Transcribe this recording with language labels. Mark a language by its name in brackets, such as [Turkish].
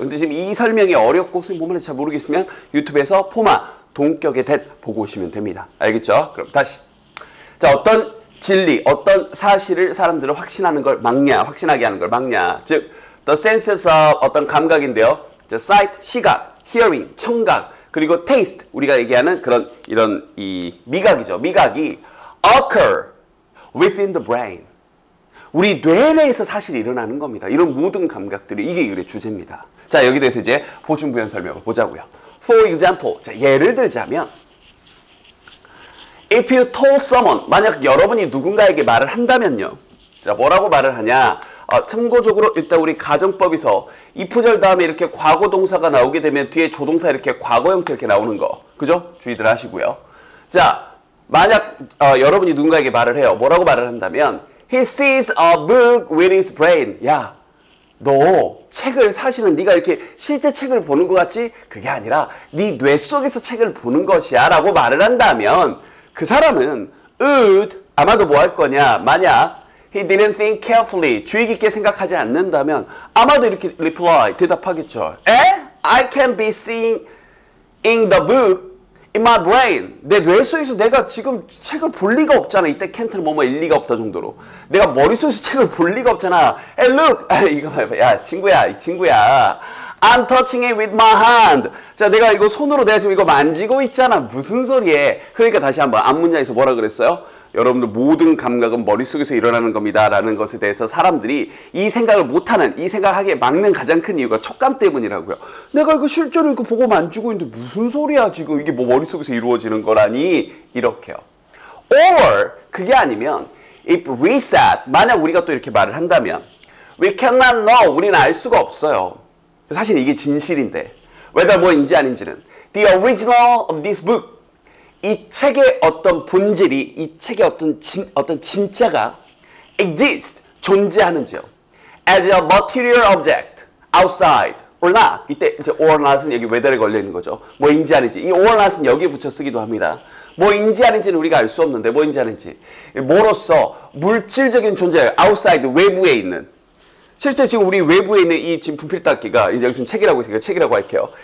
[Korean] 근데 지금 이 설명이 어렵고 선생님 뭔 말인지 잘 모르겠으면 유튜브에서 포마 동격의 that 보고 오시면 됩니다. 알겠죠? 그럼 다시. 자, 어떤 진리, 어떤 사실을 사람들을 확신하는 걸 막냐, 확신하게 하는 걸 막냐. 즉, [English] the senses of [Korean] 어떤 감각인데요. The sight, 시각, hearing, 청각, 그리고 taste, 우리가 얘기하는 그런 이런 이 미각이죠. [English] 미각이 occur within the brain. [Korean] 우리 뇌 내에서 사실 일어나는 겁니다. 이런 모든 감각들이 이게 이 주제입니다. 자, 여기 대해서 이제 보충부연 설명을 보자고요. [English] For example, [Korean] 자, 예를 들자면 [English] If you told someone, [Korean] 만약 여러분이 누군가에게 말을 한다면요. 자, 뭐라고 말을 하냐. 참고적으로 일단 우리 가정법에서 if절 다음에 이렇게 과거 동사가 나오게 되면 뒤에 조동사 이렇게 과거 형태 이렇게 나오는 거. 그죠? 주의들 하시고요. 자, 만약 여러분이 누군가에게 말을 해요. 뭐라고 말을 한다면 [English] He sees a book with his brain. [Korean] 야, 너 책을 사실은 네가 이렇게 실제 책을 보는 것 같지? 그게 아니라 네 뇌 속에서 책을 보는 것이야 라고 말을 한다면 그 사람은 would 아마도 뭐 할 거냐? 만약 [English] he didn't think carefully [Korean] 주의 깊게 생각하지 않는다면 아마도 이렇게 reply 대답하겠죠. 에? [English] I can be seeing in the book in my brain. [Korean] 내 뇌 속에서 내가 지금 책을 볼 리가 없잖아. 이때 can't는 뭐뭐 일 리가 없다 정도로. 내가 머릿속에서 책을 볼 리가 없잖아. [English] Hey, look! [Korean] 아, 이거 봐봐. 야, 친구야, 이 친구야. [English] I'm touching it with my hand. [Korean] 자, 내가 이거 손으로 내가 지금 이거 만지고 있잖아. 무슨 소리에. 그러니까 다시 한번 앞 문장에서 뭐라 그랬어요? 여러분들 모든 감각은 머릿속에서 일어나는 겁니다. 라는 것에 대해서 사람들이 이 생각을 못하는, 이 생각하게 막는 가장 큰 이유가 촉감 때문이라고요. 내가 이거 실제로 이거 보고 만지고 있는데 무슨 소리야 지금. 이게 뭐 머릿속에서 이루어지는 거라니. 이렇게요. Or 그게 아니면 [English] if we said, [Korean] 만약 우리가 또 이렇게 말을 한다면 [English] we cannot know, [Korean] 우리는 알 수가 없어요. 사실 이게 진실인데 [English] whether [Korean] 뭐인지 아닌지는 [English] the original of this book [Korean] 이 책의 어떤 본질이, 이 책의 어떤 진짜가 exist, 존재하는지요. [English] As a material object, outside, or not. [Korean] 이때 이제 or not은 여기 whether에 걸려있는 거죠. 뭐인지 아닌지. 이 or not은 여기 붙여 쓰기도 합니다. 뭐인지 아닌지는 우리가 알 수 없는데, 뭐인지 아닌지. 뭐로서 물질적인 존재, outside, 외부에 있는. 실제 지금 우리 외부에 있는 이 지금 분필닦이가, 여기서는 책이라고 했으니까 책이라고 할게요.